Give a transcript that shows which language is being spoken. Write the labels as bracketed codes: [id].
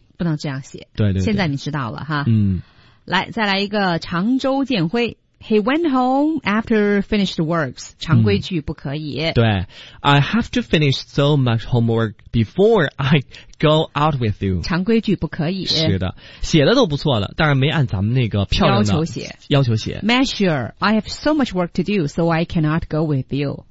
[zh] 不能这样写。对。现在你知道了哈。嗯。来再来一个 [en] 常州建辉。He went home after finished works. [zh] 常规句不可以。嗯、对。 [en] I have to finish so much homework before I go out with you. [zh] 常规句不可以。是的。写的都不错了，但是没按咱们那个漂亮的。要求写。要求写。 [en] Measure, I have so much work to do, so I cannot go with you.